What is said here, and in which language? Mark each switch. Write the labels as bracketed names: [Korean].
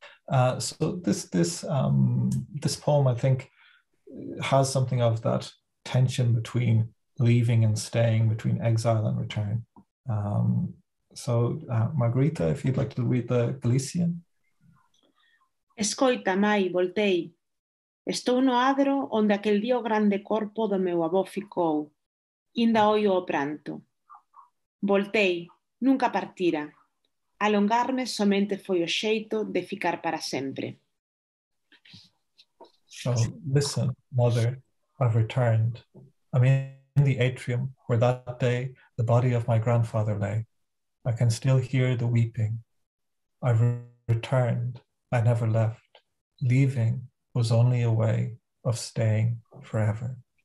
[English] So this poem, I think, has something of that tension between leaving and staying, between exile and return. Margarita, if you'd like to read the Galician. [Galician] Escoita, mai, voltei. Estou no adro onde aquel día o grande corpo do meu avó ficou. Inda oio o pranto. Voltei, nunca partira. Alongarme somente foi o xeito de ficar para sempre. [English] So, listen, mother, I've returned. I'm in the atrium where that day the body of my grandfather lay. I can still hear the weeping. I've returned. I never left. Leaving was only a way of staying forever.